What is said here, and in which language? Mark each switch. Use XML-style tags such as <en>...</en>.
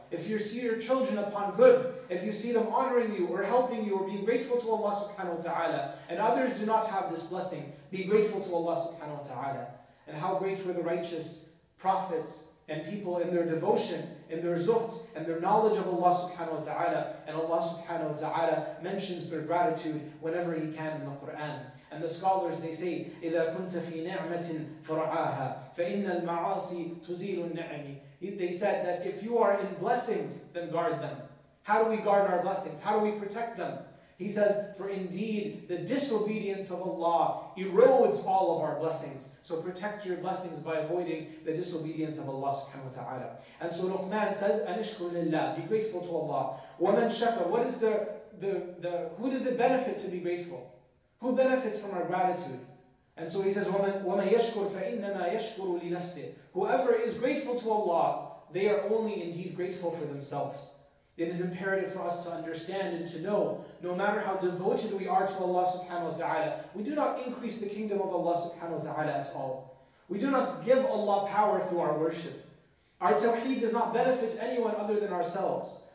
<en>If you see your children upon good, if you see them honoring you or helping you or being grateful to Allah subhanahu wa ta'ala, and others do not have this blessing, be grateful to Allah subhanahu wa ta'ala. And how great were the righteous prophets and people in their devotion, in their zuhd, and their knowledge of Allah subhanahu wa ta'ala. And Allah subhanahu wa ta'ala mentions their gratitude whenever He can in the Qur'an. And the scholars, they say,</en> <ar>إِذَا كُنْتَ فِي نِعْمَةٍ فَرَعَاهَا فَإِنَّ الْمَعَاصِي تُزِيلُ النِّعْمِ.</ar> <en>They said that if you are in blessings, then guard them. How do we guard our blessings? How do we protect them? He says, for indeed, the disobedience of Allah erodes all of our blessings. So protect your blessings by avoiding the disobedience of Allah subhanahu wa ta'ala. And so Luqman says,</en> <ar>أَنِشْكُرْ لِلَّهِ.</ar> <en>Be grateful to Allah.</en> <ar>وَمَنْ شَكَرْ.</ar> <en>What is the who does it benefit to be grateful? Who benefits from our gratitude? And so he says,</en> <ar>وَمَنْ يَشْكُرْ فَإِنَّمَا يَشْكُرُ لِنَفْسِهِ.</ar> <en>Whoever is grateful to Allah, they are only indeed grateful for themselves. It is imperative for us to understand and to know, no matter how devoted we are to Allah subhanahu wa ta'ala, we do not increase the kingdom of Allah subhanahu wa ta'ala at all. We do not give Allah power through our worship. Our tawheed does not benefit anyone other than ourselves.</en>